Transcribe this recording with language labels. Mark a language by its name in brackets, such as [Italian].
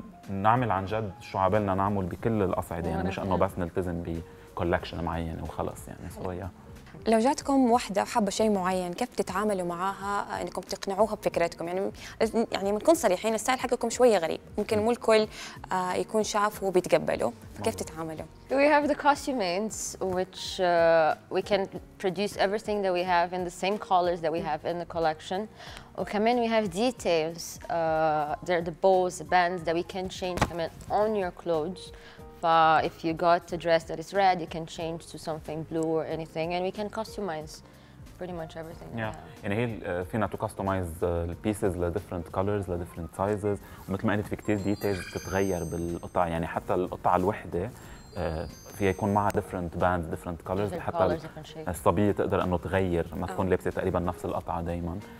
[Arabic] نعمل عن جد شو عبالنا نعمل بكل الأصعدة، يعني مش أنه بس نلتزم بكولكشن معين وخلص يعني سويا. لو جاتكم وحدة حابة شيء معين، كيف تتعاملوا معاها أنكم تقنعوها بفكرتكم؟ يعني منكون صريحين، السائل حقكم شوية غريب، ممكن مو الكل يكون شافه وبيتقبله، فكيف تتعاملوا؟ [English] We have the costumes which we can produce everything that we have in the same colors that we have in the collection. [Arabic] وكمان [English] we have details, they're the bows, the bands that we can change [Arabic] كمان [English] on your clothes. If you got a dress that is red, you can change to something blue or anything, and we can customize pretty much everything. Yeah, [Arabic] يعني هي فينا [English] to customize the pieces ل different colors ل different sizes. [Arabic] ومثل ما قلت في كتير details تتغير بالقطع، يعني حتى القطع الوحدة فيها يكون معها [English] different bands different colors، [Arabic] حتى الصبية تقدر إنه تغير ما تكون لابسة تقريبا نفس القطعة دائما.